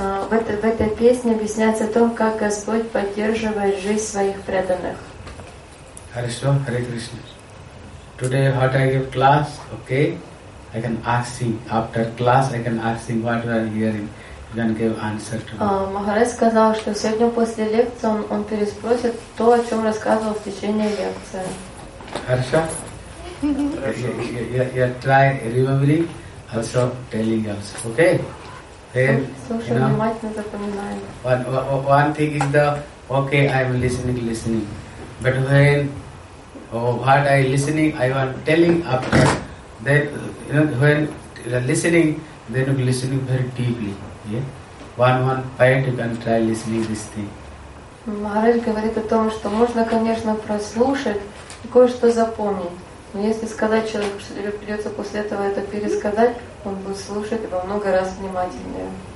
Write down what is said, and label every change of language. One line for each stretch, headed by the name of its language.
Russian: В этой песне объясняется о том, как Господь поддерживает жизнь своих преданных. Хорошо, Hare Krishna.
English: Today what I give class, okay? I can ask him. After class I can ask him what you are hearing. Then give answer to him.
Russian: Махарадж сказал, что сегодня после лекции он переспросит то, о чем рассказывал в течение лекции. Хорошо.
English: You try remembering, also telling us, okay? Then, you know, one thing is the, okay, I'm listening. But when, what I listening, I want telling after. Then, you know, when listening, then you listening very deeply. Yeah? One point, you can try listening this thing.
Russian: Maharaj говорит о том, что можно, конечно, прослушать и кое-что запомнить. Но если сказать человеку, что тебе придется после этого это пересказать, он будет слушать во много раз внимательнее.